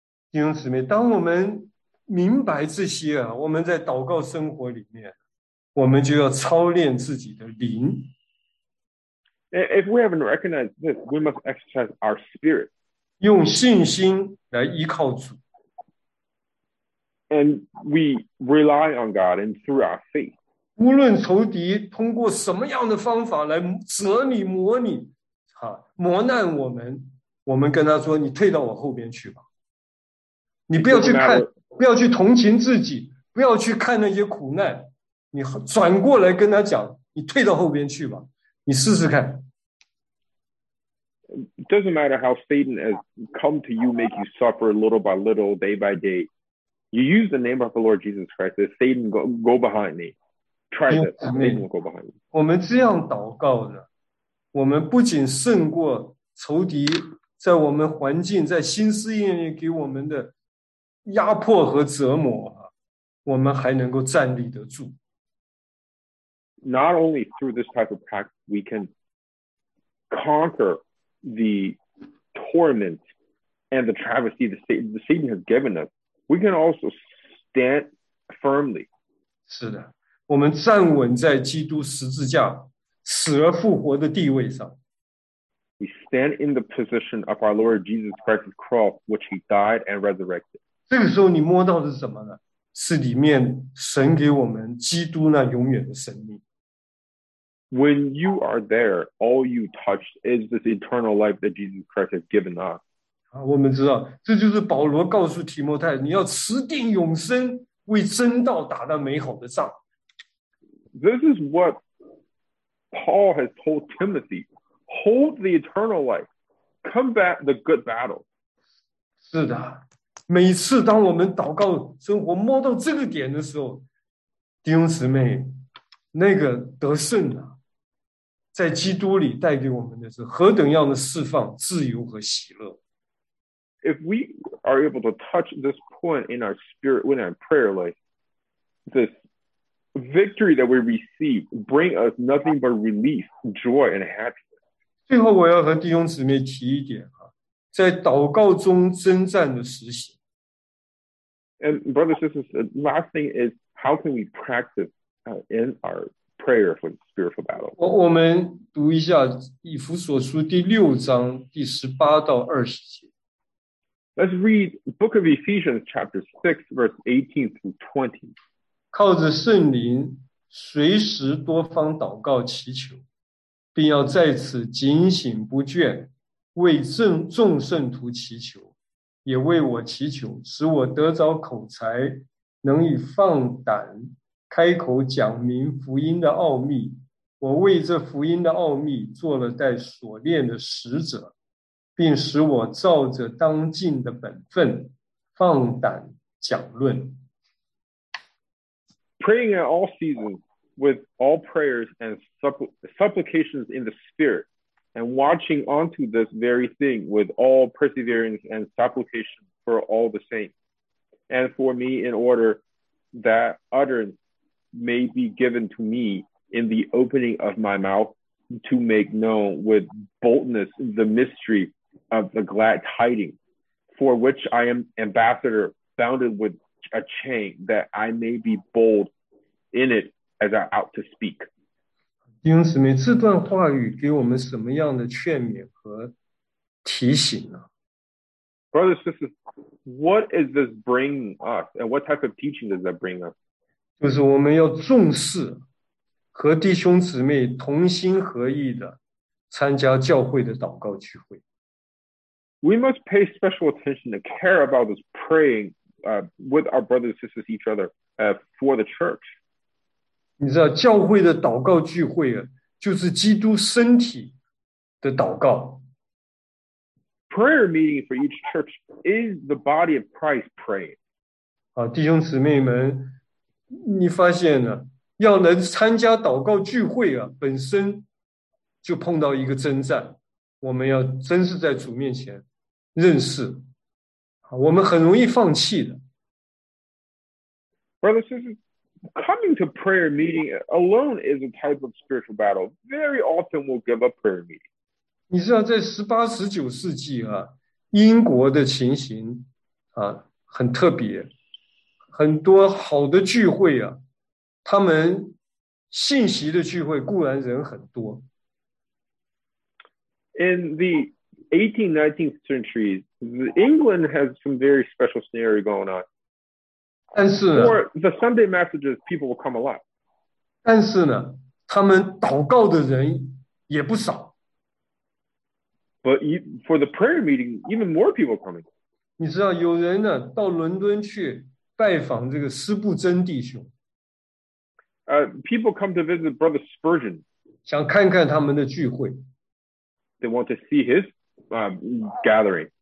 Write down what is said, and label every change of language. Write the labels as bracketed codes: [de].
[zh] 弟兄姊妹，当我们明白这些啊，我们在祷告生活里面，我们就要操练自己的灵。 [en] If we haven't recognized this, we must exercise our spirit. [zh] 用信心来依靠主。 [en] And we rely on God and through our faith. [zh] 无论仇敌通过什么样的方法来折你、磨你、磨难我们，我们跟他说：“你退到我后边去吧。” 你不要去看，不要去同情自己，不要去看那些苦难，你转过来跟他讲，你退到后边去吧，你试试看。 [en] It doesn't matter how Satan has come to you, make you suffer little by little, day by day. You use the name of the Lord Jesus Christ. Satan, go behind me. Try this. Satan, go behind me. [zh] 我们这样祷告呢，我们不仅胜过仇敌在我们环境、在新思念里给我们的压迫和折磨，我们还能够站立得住。 [en] Not only through this type of practice, we can conquer. The torment and the travesty that Satan has given us, we can also stand firmly. [zh] 是的，我们站稳在基督十字架死而复活的地位上。 [en] We stand in the position of our Lord Jesus Christ's cross, which He died and resurrected. [zh] 这个时候，你摸到的是什么呢？是里面神给我们基督那永远的生命。 [en] When you are there, all you touch is this eternal life that Jesus Christ has given us. [zh] 我们知道，这就是保罗告诉提摩太，你要持定永生，为真道打那美好的仗。 [en] This is what Paul has told Timothy. Hold the eternal life. Combat the good battle. [zh] 是的，每次当我们祷告生活摸到这个点的时候，弟兄姊妹，那个得胜啊。在基督里带给我们的是何等样的释放、自由和喜乐。 [en] If we are able to touch this point in our spirit, in our prayer life, this victory that we receive bring us nothing but relief, joy, and happiness. [zh] 最后，我要和弟兄姊妹提一点啊，在祷告中征战的实行。 [en] And brothers and sisters, the last thing is how can we practice in our prayer for spiritual battle. [zh] 我们读一下以弗所书第六章第十八到二十节。 [en] Let's read Book of Ephesians chapter 6 verse 18 through 20. [zh] 靠着圣灵随时多方祷告祈求，并要在此警醒不倦，为众圣徒祈求，也为我祈求，使我得着口才，能以放胆开口讲明福音的奥秘，我为这福音的奥秘做了带锁链的使者，并使我照着当尽的本分放胆讲论。 [en] Praying at all seasons with all prayers and supplications in the spirit, and watching onto this very thing with all perseverance and supplication for all the saints, and for me in order that utterance. May be given to me in the opening of my mouth to make known with boldness the mystery of the glad tidings, for which I am ambassador, bounded with a chain, that I may be bold in it as I ought to speak. [zh] 弟兄姊妹，这段话语给我们什么样的劝勉和提醒呢？ [en] Brothers and sisters, what is this bringing us, and what type of teaching does that bring us? [zh] 就是我们要重视和弟兄姊妹同心合意的参加教会的祷告聚会。 [en] We must pay special attention to care about this praying with our brothers and sisters each other for the church. [zh] 你知道教会的祷告聚会就是基督身体的祷告。 [en] Prayer meeting for each church is the body of Christ praying. [zh] 弟兄姊妹们你发现呢，要能参加祷告聚会啊，本身就碰到一个征战。我们要真是在主面前认识，我们很容易放弃的。 [en] Brothers and sisters, coming to prayer meeting alone is a type of spiritual battle. Very often we'll give up prayer meeting. [zh] 你知道，在十八、十九世纪啊，英国的情形啊，很特别。很多好的聚会啊，他们信息的聚会固然人很多。 [en] In the 18th, 19th centuries, England has some very special scenario going on. [zh] 但是呢 [en] For the Sunday messages, people will come a lot. [zh] 但是呢，他们祷告的人也不少。 [en] But for the prayer meeting, even more people coming. [zh] 你知道有人呢到伦敦去拜访这个斯布珍弟兄。 [en] People come to visit Brother Spurgeon. [zh] 想看看他们的聚会。 [en] They want to see his gathering.